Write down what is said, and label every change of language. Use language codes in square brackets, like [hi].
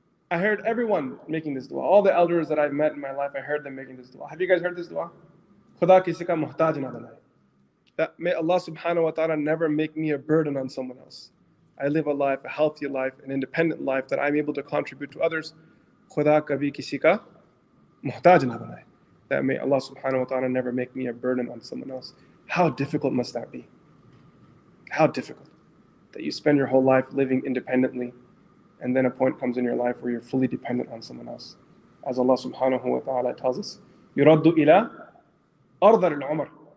[en] I heard everyone making this dua. All the elders that I've met in my life, I heard them making this dua. Have you guys heard this dua? [ur] Khuda kisi ka muhtaj na banaye. [en] That may Allah subhanahu wa ta'ala never make me a burden on someone else. I live a life, a healthy life, an independent life that I'm able to contribute to others. [ur] خدا کبھی کسی کا محتاج نہ بنائے۔ [en] That may Allah subhanahu wa ta'ala never make me a burden on someone else. How difficult must that be? How difficult. That you spend your whole life living independently, and then a point comes in your life where you're fully dependent on someone else. As Allah subhanahu wa ta'ala tells us, [ar] يُرَدُّ إِلَىٰ أَرْضَ الْعُمَرِ.